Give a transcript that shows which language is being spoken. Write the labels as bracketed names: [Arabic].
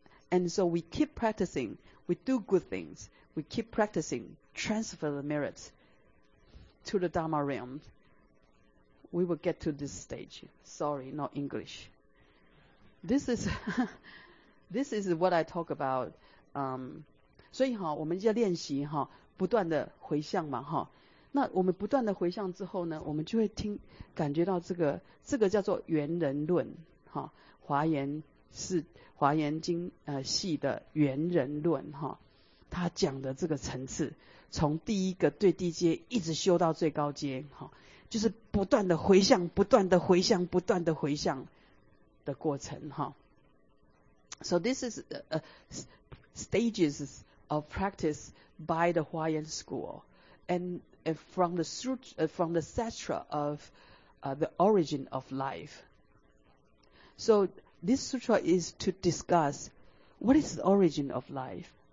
[English] And so we keep practicing, we do good things, we keep practicing, transfer the merit to the Dharma realm. We will get to this stage. Sorry, not English. This is this is what I talk about. [Chinese] 所以哈，我们就要练习哈，不断的回向嘛哈。那我们不断的回向之后呢，我们就会听感觉到这个叫做圆人论哈，华严经系的圆人论哈，他讲的这个层次，从第一个最低阶一直修到最高阶哈，就是不断的回向，不断的回向，不断的回向的过程哈。 [English] So this is stages. Of practice by the Huayan school, and from the sutra of the origin of life. So this sutra is to discuss what is the origin of life.